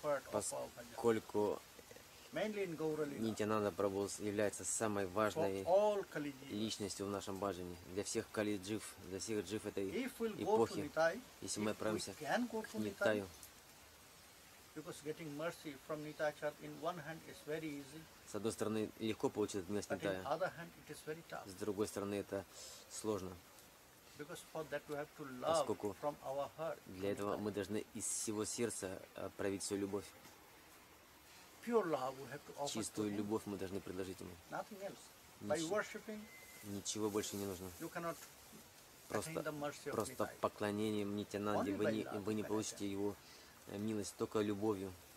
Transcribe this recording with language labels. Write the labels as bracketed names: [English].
[Russian] Поскольку Нитянанда Прабху является самой важной личностью в нашем баджане, для всех калиджив, для всех джив этой эпохи. Если мы отправимся к Нитаю, с одной стороны, легко получить от милость Нитая, с другой стороны, это сложно. [English] Because for that we have to love from our heart. [Russian] Для этого мы должны из всего сердца проявить свою любовь. [English] Pure love we have to offer. [Russian] Чистую любовь мы должны предложить ему. [English] Nothing else. By worshiping. [Russian] Ничего больше не нужно. [English] You cannot attain the mercy of. [Russian] Просто поклонением Нитянанде вы не получите его милость, только любовью.